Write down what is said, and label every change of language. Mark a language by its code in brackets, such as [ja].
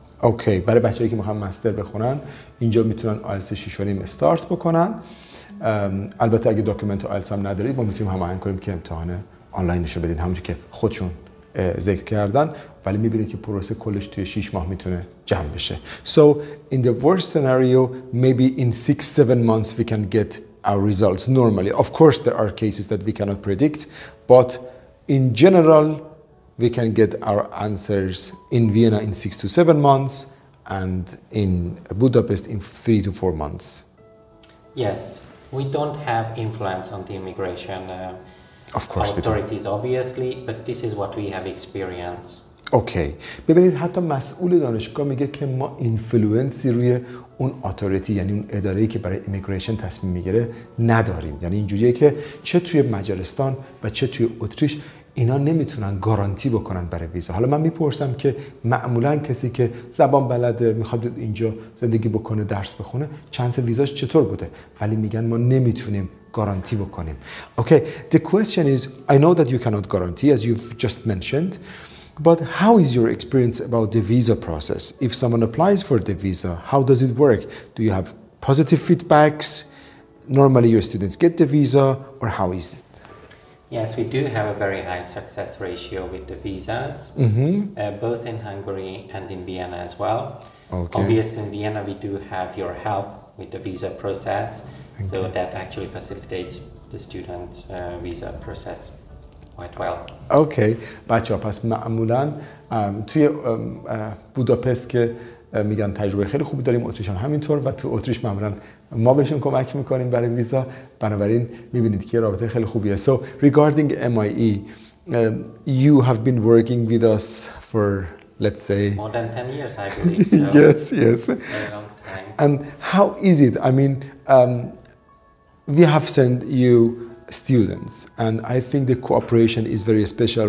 [fa] اوکی برای بچه‌ای که میخوان مستر بخونن اینجا میتونن IELTS 6.5 استارت بکنن. البته اگه داکیومنت IELTS هم ندارید ما میتونیم هماهنگ کنیم که امتحان آنلاینش رو بدین همونجوری که خودشون ذکر کردن، ولی میبینید که پروسه کلش توی 6 ماه میتونه جمع بشه. [en] So in the worst scenario maybe in 6-7 months we can get our results normally. Of course there are cases that we cannot predict, but in general we can get our answers in Vienna in 6 to 7 months and in Budapest in 3 to 4 months. Yes, we don't have influence on the immigration of course authorities, obviously, but this is what we have experienced. Okay. [fa] ببینید حتی مسئول دانشگاه میگه که ما اینفلوئنسی روی اون اتوریتی، یعنی اون اداره‌ای که برای ایمیگریشن تصمیم میگیره، نداریم. یعنی اینجوریه که چه توی مجارستان و چه توی اتریش اینا نمیتونن گارانتی بکنن برای ویزا. حالا من میپرسم که معمولا کسی که زبان بلده میخواد اینجا زندگی بکنه، درس بخونه، چانس ویزاش چطور بوده؟ ولی میگن ما نمیتونیم گارانتی بکنیم. [en] Okay, the question is, I know that you cannot guarantee as you've just mentioned, but how is your experience about the visa process? If someone applies for the visa, how does it work? Do you have positive feedbacks? Normally your students get the visa, or how is it? Yes, we do have a very high success ratio with the visas, mm-hmm. Both in Hungary and in Vienna as well. Okay. Obviously, in Vienna, we do have your help with the visa process, okay. so that actually facilitates the student visa process quite well. [fa] Okay, بچه ها پس معمولاً توی بوداپست که میگن تجربه خیلی خوبی داریم، اتریش هم همینطور، و تو اتریش معمولاً ما بهشون کمک میکنیم برای ویزا، بنابراین میبینید که رابطه خیلی خوبیه. [en] So regarding MIE, you have been working with us for, let's say... More than 10 years, I believe. So yes, yes. Very long time. And how is it? I mean, we have sent you students, and I think the cooperation is very special.